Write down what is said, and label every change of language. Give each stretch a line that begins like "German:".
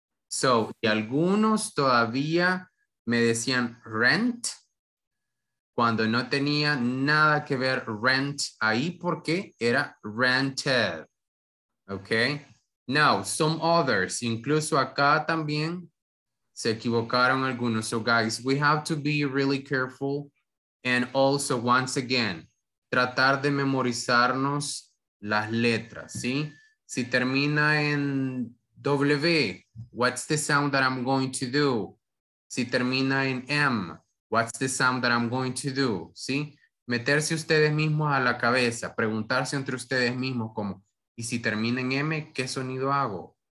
Spanish: So, y algunos todavía me decían rent cuando no tenía nada que ver rent ahí porque era rented. Okay.
English: Now, some others,
Spanish: incluso acá también se equivocaron algunos.
English: So, guys, we have to be really careful. And also, once again,
Spanish: tratar de memorizarnos las letras, ¿sí? Si termina en W,
English: what's the sound that I'm going to do?
Spanish: Si termina en M,
English: what's the sound that I'm going to do?
Spanish: ¿Sí? Meterse ustedes mismos a la cabeza, preguntarse entre ustedes mismos como, ¿y si termina en M, qué sonido hago?